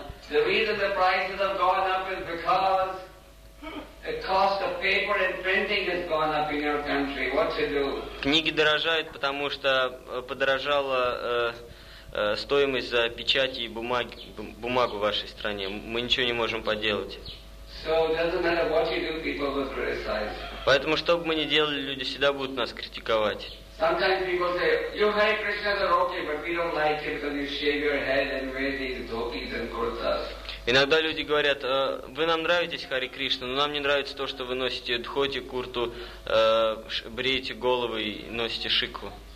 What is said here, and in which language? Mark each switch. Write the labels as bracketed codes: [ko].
[en] The reason the prices have gone up is because the cost of paper and printing has gone up in your country. What to do? [ru] Книги дорожают, потому что подорожала стоимость за печати и бумагу в вашей стране. Мы ничего не можем поделать. [en] So it doesn't matter what you do, people will criticize. [ru] Поэтому, что бы мы ни делали, люди всегда будут нас критиковать. [en] Sometimes people say, you Hare Krishnas are okay, but we don't like it because you shave your head and wear these dhotis and kurtas. [ru] Иногда люди говорят, вы нам нравитесь, Хари Кришна, но нам не нравится то, что вы носите дхоти, курту, бреете головы и носите шикву.